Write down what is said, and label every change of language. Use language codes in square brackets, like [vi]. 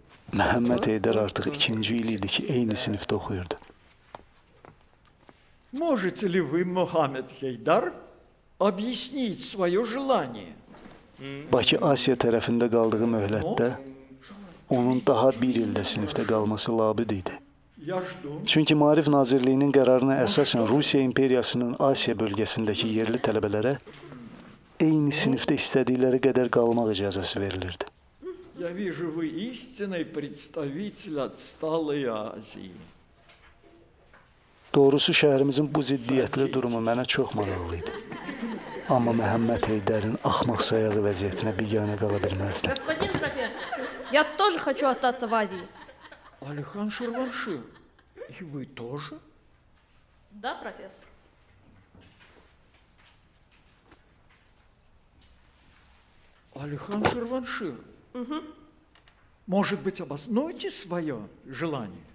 [az] Məhəmməd Heydər artıq ikinci il idi ki, eyni sinifdə oxuyurdu. [ru] Можете ли вы, Мухаммед Хейдар, объяснить свое желание? [az] Bakı Asiya tərəfində qaldığı möhlətdə onun daha bir ildə sinifdə qalması labid idi. Çünki Maarif Nazirliyinin qərarına əsasən Rusiya İmperiyasının Asiya bölgəsindəki yerli tələbələrə eyni sinifdə istədikləri qədər qalmaq icazəsi verilirdi. [ru] Я вижу, вы истинный представитель отсталой Азии. [az] Doğrusu, şəhərimizin bu ziddiyyətli durumu mənə çox maraqlı idi. Amma Məhəmməd Heydərin axmaq sayağı vəziyyətinə bir yana qala bilməzdim. [ru] Господин профессор, я тоже хочу остаться в Азии. Алихан Шерванши, и вы тоже? Да, профессор. Алихан Шерванши, может быть, обоснуете свое желание?